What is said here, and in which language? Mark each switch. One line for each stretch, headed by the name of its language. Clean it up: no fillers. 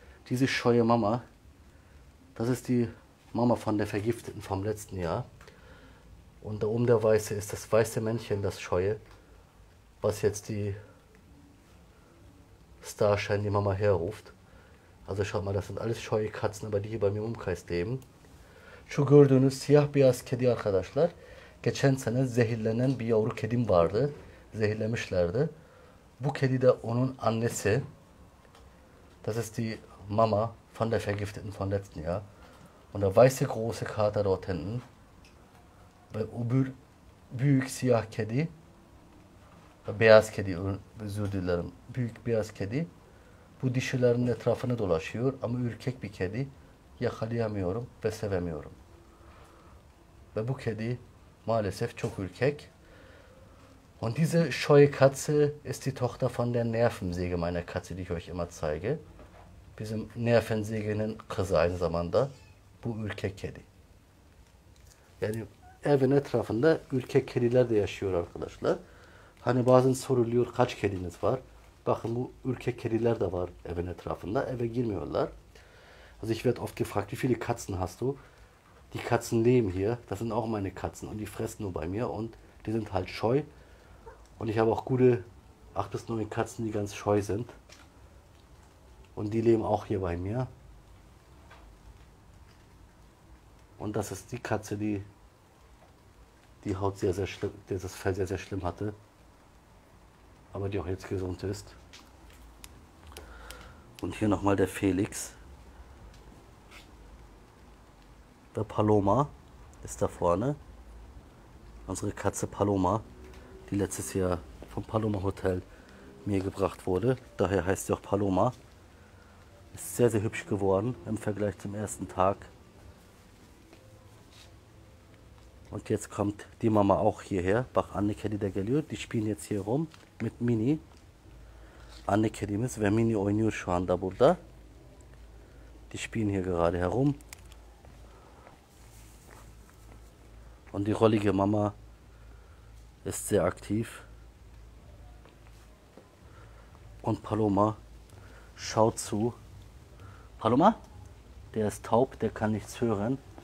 German: Diese scheue Mama, das ist die Mama von der Vergifteten vom letzten Jahr. Und da oben der Weiße ist das weiße Männchen, das scheue, was jetzt die Starshine, die Mama, herruft. Also schaut mal, das sind alles scheue Katzen, aber die hier bei mir im Umkreis leben.
Turkish: Şu gördüğünüz siyah beyaz kedi arkadaşlar. Geçen sene zehirlenen bir yavru kedim vardı. Zehirlemişlerdi. Bu kedi de onun annesi.
German: Das ist die Mama von der Vergifteten von letzten Jahr. Und der weiße große Kater dort hinten.
Turkish: Ve o büyük siyah kedi. Beyaz kedi, özür dilerim. Büyük beyaz kedi. Bu dişilerin etrafını dolaşıyor ama ürkek bir kedi. Yakalayamıyorum ve sevemiyorum. Ve bu kedi maalesef çok ürkek.
German: Und diese scheue Katze ist die Tochter von der Nervensäge meiner Katze, die ich euch immer zeige.
Turkish: Bizim Nervensägenin kızı aynı zamanda bu ürkek kedi. Yani evin etrafında ürkek kediler de yaşıyor arkadaşlar. Hani bazen soruluyor kaç kediniz var? Bakın bu ürkek kediler de var evin etrafında. Eve girmiyorlar.
German: Also ich werde oft gefragt, wie viele Katzen hast du? Die Katzen leben hier, das sind auch meine Katzen und die fressen nur bei mir und die sind halt scheu. Und ich habe auch gute 8 bis 9 Katzen, die ganz scheu sind. Und die leben auch hier bei mir. Und das ist die Katze, die Haut sehr, sehr schlimm, die das Fell sehr, sehr schlimm hatte. Aber die auch jetzt gesund ist. Und hier nochmal der Felix. Der Paloma ist da vorne. Unsere Katze Paloma, die letztes Jahr vom Paloma Hotel mir gebracht wurde. Daher heißt sie auch Paloma. Ist sehr, sehr hübsch geworden im Vergleich zum ersten Tag. Und jetzt kommt die Mama auch hierher.
Turkish: Bach Anneke, die da geliyor.
German: Die spielen jetzt hier rum mit Mini.
Turkish: Anneke, kedimiz ve Mini oynuyor şu anda burada.
German: Die spielen hier gerade herum. Und die rollige Mama ist sehr aktiv. Und Paloma schaut zu. Paloma, der ist taub, der kann nichts hören.